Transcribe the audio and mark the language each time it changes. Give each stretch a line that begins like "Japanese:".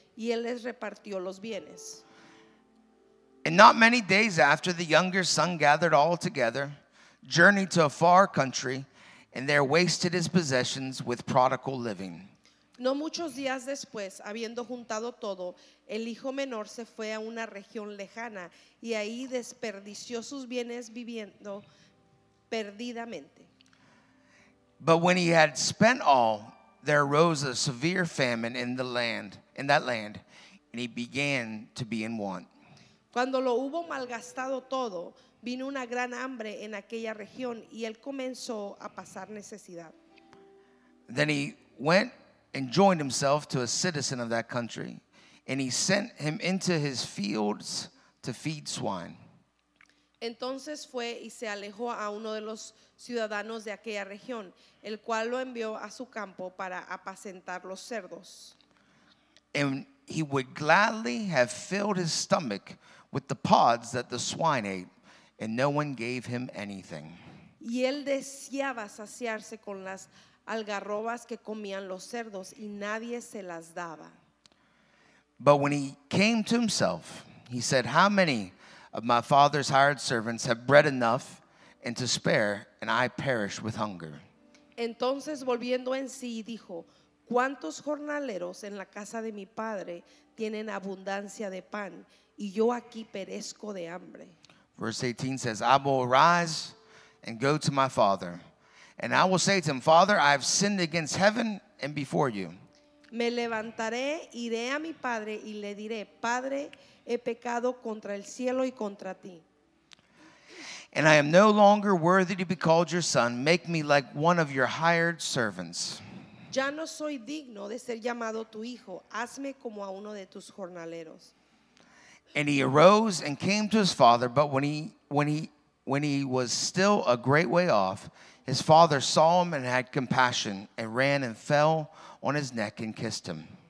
Spanish: Y él les repartió los bienes.
English: And not many days after, the younger son gathered all together, journeyed to a far country, and there wasted his possessions with prodigal living.
Spanish: No muchos días después, habiendo juntado todo, el hijo menor se fue a una región lejana, y ahí desperdició sus bienes viviendo perdidamente.
English: But when he had spent all, there arose a severe famine in the land, in that land, and he began to be in want.
Spanish: Cuando lo hubo malgastado todo, vino una gran hambre en aquella región y él comenzó a pasar necesidad.
English: Then he went and joined himself to a citizen of that country, and he sent him into his fields to feed swine.
Spanish: Entonces fue y se alejó a uno de los ciudadanos de aquella región, el cual lo envió a su campo para apacentar los cerdos.
English: And he would gladly have filled his stomach with the pods that the swine ate, and no one gave him anything.
Spanish: Y él deseaba saciarse con las algarrobas que comían los cerdos, y nadie se las daba.
English: But when he came to himself, he said, how many of my father's hired servants have bread enough and to spare, and I perish with hunger?
Spanish: Entonces volviendo en sí, dijo, ¿cuántos jornaleros en la casa de mi padre tienen abundancia de pan, y yo aquí perezco de hambre?
English: Verse 18 says, I will arise and go to my father, and I will say to him, Father, I have sinned against heaven and before you.
Spanish: Me levantaré, iré a mi padre, y le diré, Padre, he pecado contra el cielo y contra ti.
English: And I am no longer worthy to be called your son. Make me like one of your hired servants.
Spanish: Ya no soy digno de ser llamado tu hijo. Hazme como a uno de tus jornaleros.
English: And he arose and came to his father, but when he was still a great way off, his father saw him and had compassion and ran and fell on his neck and kissed him.